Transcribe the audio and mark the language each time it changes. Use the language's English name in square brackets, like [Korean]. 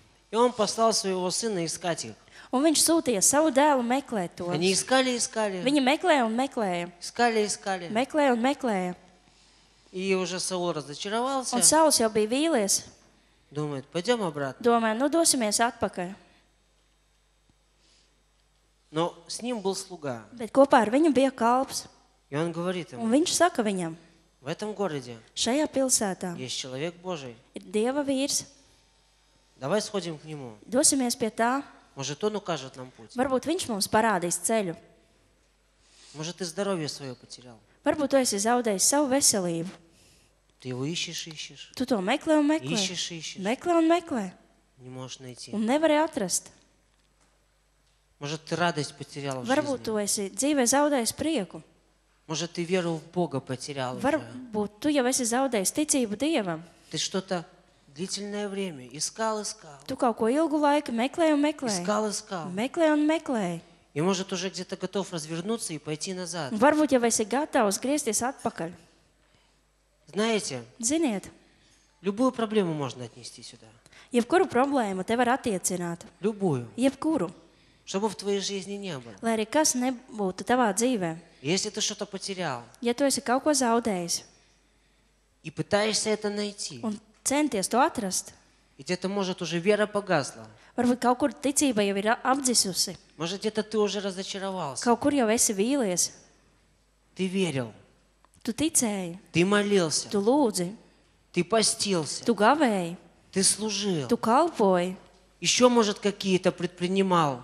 [Russian] И он послал своего сына искать их. [Latvian] Un viņš sūtīja savu dēlu meklēt tos. [Russian] Они искали, искали. [Latvian] Viņi meklēja un meklēja. [Russian] Искали, искали. [Latvian] Меклея он меклея. [Russian] И уже Саул разочаровался. [Latvian] Un Sauls jau bija vīlies. [Russian] Думает, пойдём обратно. [Latvian] Domāja, nu dosimies atpakaļ. [Russian] Но с ним был слуга. [Latvian] Bet kopā ar viņu bija kalps. [Russian] И он говорит ему. [Latvian] Un viņš saka viņam. [Russian] В этом городе. [Latvian] Šajā pilsētā. [Russian] Есть человек Божий. [Latvian] Ir Dieva vīrs. [Russian] Давай сходим к нему. [Latvian] Dosimies pie tā. [Russian] Может, он укажет нам путь. [Latvian] Varbūt viņš mums parādīs ceļu. [Russian] Может, ты здоровье свое потерял. [Latvian] Varbūt tu esi zaudējis savu veselību. [Russian] Ты его ищешь. [Latvian] Tu to meklē un meklē. [Russian] Ищешь. [Latvian] Meklē un meklē. [Russian] Не можешь найти. [Latvian] Un nevari atrast. [Russian] Может, ты радость потерял в жизни? [Latvian] Varbūt tu esi dzīvē zaudējis prieku. [Russian] Может, ты веру в Бога потерял? [Latvian] Varbūt tu jau esi zaudējis ticību Dievam. [Russian] Ты что-то длительное время искал, искал. [Latvian] Tu kaut ko ilgu laiku meklēji un meklēji. [Russian] Искал, искал. [Latvian] Meklēji un meklēji. [Russian] И может, уже где-то готов развернуться и пойти назад. [Latvian] Varbūt jau esi gatavs griezties atpakaļ. [Russian] Знаете? [Latvian] Ziniet? [Russian] Любую проблему можно отнести сюда. [Latvian] Jebkuru problēmu te var attiecināt. [Russian] Любую. [Latvian] Jebkuru. [Russian] Чтобы в твоей жизни не было. [Latvian] Lai arī kas nebūtu tavā dzīvē. [Russian] Если ты что-то потерял. [Latvian] Ja tu esi kaut ko zaudējis. [Russian] И пытаешься это найти. [Latvian] Un centies to atrast. [Russian] И где-то может уже вера погасла. [Latvian] Varbūt kaut kur ticība jau ir apdzisusi. [Russian] Может где-то ты уже разочаровался. [Latvian] Kaut kur jau esi vīlies. [Russian] Ты верил. [Latvian] Tu ticēji. [Russian] Ты молился. [Latvian] Tu lūdzi. [Russian] Ты постился. [Latvian] Tu gavēji. [Russian] Ты служил. [Latvian] Tu kalpoji. [Russian] Еще, может, какие-то предпринимал.